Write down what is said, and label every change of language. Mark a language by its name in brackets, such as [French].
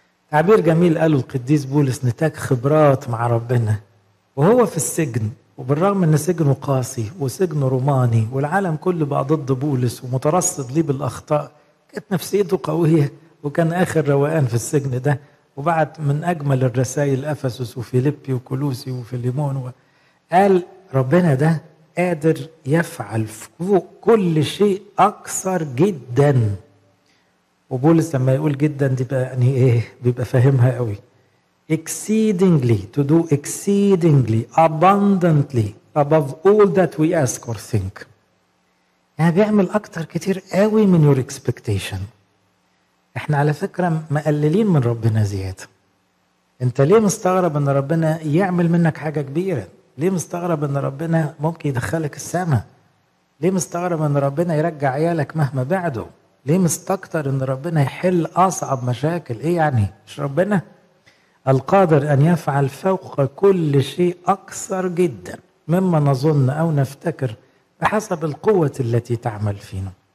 [Arabic] تعبير جميل قاله القديس بولس، نتاج خبرات مع ربنا وهو في السجن، وبالرغم ان سجنه قاسي وسجنه روماني والعالم كله بقى ضد بولس ومترصد ليه بالاخطاء، كانت نفسيته قويه وكان اخر روقان في السجن ده، وبعد من اجمل الرسائل افسس وفيليبي وكولوسي وفيليمون، قال ربنا ده قادر يفعل فوق كل شيء اكثر جدا. وبولس لما يقول جدا دي بقى يعني ايه، بيبقى فاهمها قوي. [English] Exceedingly, to do exceedingly, abundantly, above all that we ask or think. [Arabic] يعني بيعمل أكتر كتير قوي من [English] your expectation. [Arabic] احنا على فكرة مقللين من ربنا زيادة. انت ليه مستغرب ان ربنا يعمل منك حاجة كبيرة؟ ليه مستغرب ان ربنا ممكن يدخلك السماء؟ ليه مستغرب ان ربنا يرجع عيالك مهما بعده؟ ليه مستكتر ان ربنا يحل أصعب مشاكل؟ ايه يعني؟ مش ربنا القادر أن يفعل فوق كل شيء أكثر جدا مما نظن أو نفتكر بحسب القوة التي تعمل فينا.